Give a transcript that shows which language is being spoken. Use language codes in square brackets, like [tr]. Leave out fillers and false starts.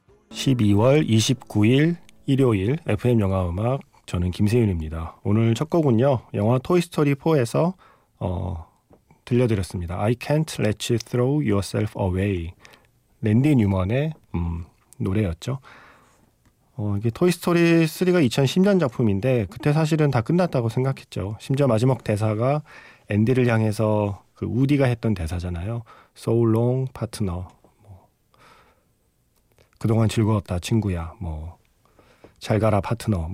[ko] 12월 29일 일요일 FM 영화음악, 저는 김세윤입니다. 오늘 첫 곡은요, 영화 토이스토리 4에서 들려드렸습니다. [en] I can't let you throw yourself away. [ko] 랜디 뉴먼의 노래였죠. 이게 토이스토리 3가 2010년 작품인데 그때 사실은 다 끝났다고 생각했죠. 심지어 마지막 대사가 앤디를 향해서 그 우디가 했던 대사잖아요. [en] So long, partner. [ko] 그동안 즐거웠다, 친구야. 뭐 잘 가라, 파트너.